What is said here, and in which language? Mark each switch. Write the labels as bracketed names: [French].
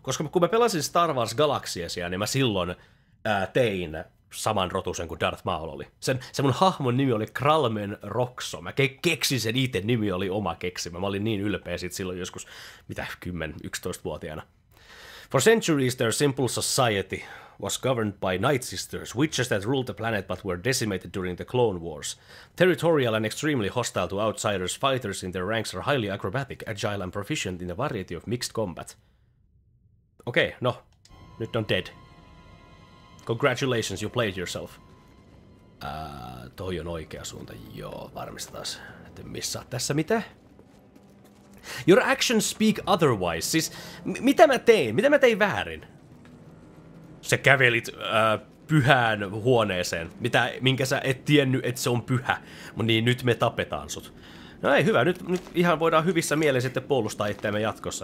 [Finnish] Koska kun mä pelasin Star Wars Galaxiesia, niin mä silloin tein saman rotusen kuin Darth Maul oli. Se mun hahmon nimi oli Kralmen Rokso. Mä keksin sen itse, nimi oli oma keksimä. Mä olin niin ylpeä siitä silloin joskus, 10-11-vuotiaana. [English] For centuries their simple society was governed by Night Sisters, witches that ruled the planet but were decimated during the Clone Wars. Territorial and extremely hostile to outsiders, fighters in their ranks are highly acrobatic, agile and proficient in a variety of mixed combat. [Finnish] Okei, no. Nyt on dead. [English] Congratulations, you played yourself. [Finnish] Toi on oikea suunta. Joo, varmistetaan. Että missä tässä mitä? [English] Your actions speak otherwise. [Finnish] Siis, mitä mä tein? Mitä mä tein väärin? Sä kävelit pyhään huoneeseen, minkä sä et tiennyt, että se on pyhä. Niin nyt me tapetaan sut. No ei, hyvä. Nyt ihan voidaan hyvissä mielin sitten puolustaa itseämme jatkossa.